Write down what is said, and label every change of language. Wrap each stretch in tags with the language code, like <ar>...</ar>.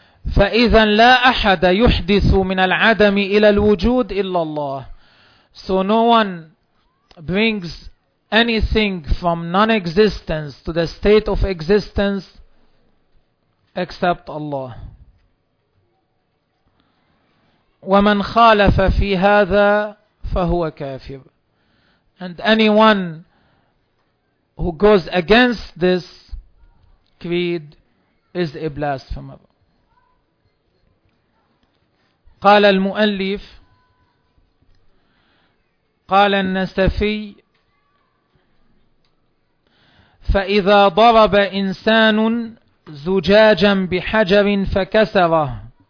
<ar>فإذا لا أحد يحدث من العدم إلى الوجود إلا الله.</ar> <en>So no one brings anything from non-existence to the state of existence except Allah.</en> <ar>ومن خالف في هذا فهو كافر.</ar> <en>And anyone who goes against this creed is a blasphemer.</en> <ar>قال المؤلف قال النسفي فإذا ضرب إنسان زجاجا بحجر فكسره</ar>